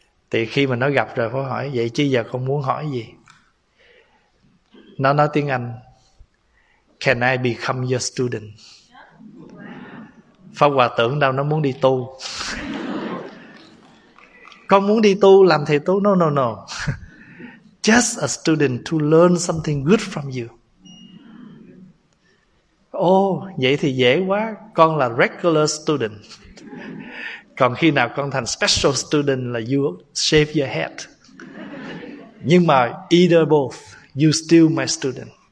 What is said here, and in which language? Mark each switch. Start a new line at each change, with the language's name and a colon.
Vietnamese: Thì khi mà nó gặp rồi, Pháp hỏi: vậy chứ giờ con muốn hỏi gì? Nó nói tiếng Anh:
English: can I become your student?
Vietnamese: Pháp Hòa tưởng đâu nó muốn đi tu. Con muốn đi tu làm thầy tu?
English: No no no, just a student to learn something good from you.
Vietnamese: Oh, vậy thì dễ quá, con là regular student. Còn khi nào con thành special student là
English: you shave your head.
Vietnamese: Nhưng mà
English: either both, you still my student.